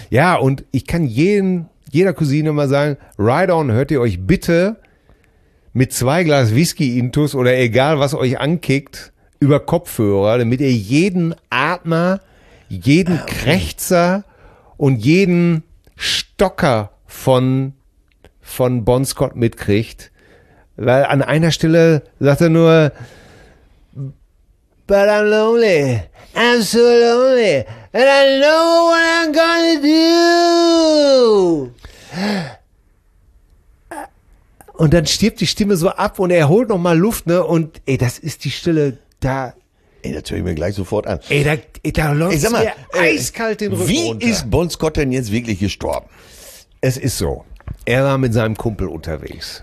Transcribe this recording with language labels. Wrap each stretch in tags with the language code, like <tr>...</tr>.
<de>Ja, und ich kann jeder Cousine mal sagen, Ride On hört ihr euch bitte mit zwei Glas Whisky intus oder egal was euch ankickt, über Kopfhörer, damit ihr jeden Atmer, jeden Krächzer und jeden Stocker von Bon Scott mitkriegt. Weil an einer Stelle sagt er nur:</de> <en>But I'm lonely, I'm so lonely, and I know what I'm gonna do.</en> <de>Und dann stirbt die Stimme so ab und er holt nochmal Luft, ne? Und ey, das ist die Stille, da. Ey, das höre ich mir gleich sofort an. Ey, da läuft mir eiskalt den Rücken runter. Wie ist Bon Scott denn jetzt wirklich gestorben? Es ist so. Er war mit seinem Kumpel unterwegs.</de>